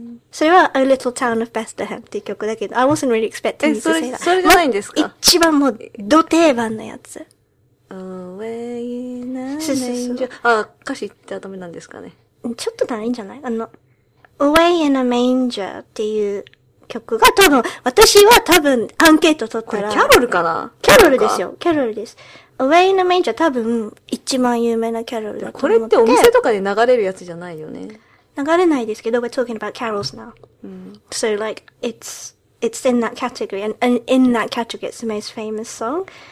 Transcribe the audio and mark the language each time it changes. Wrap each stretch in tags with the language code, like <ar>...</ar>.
<ja>それは</ja> <en>A Little Town of Bethlehem</en> <ja>っていう曲だけど、</ja> <en>I wasn't really expecting you to say that。</en> <ja>それじゃないんですか？一番もう、ド定番のやつ。</ja> <en>Away in a manger。</en> <ja>あ、歌詞ってはダメなんですかね。ちょっとダメんじゃない？あの、Away in a manger っていう曲が多分、私は多分アンケート取ったら。これキャロルかな？キャロルですよ。キャロルです。Away in a manger 多分、一番有名なキャロルだと思って。これってお店とかで流れるやつじゃないよね。流れないですけど、</ja> <en>we're talking about carols now.、Mm. So like, it's in that category, and in that category, it's the most famous song.</en>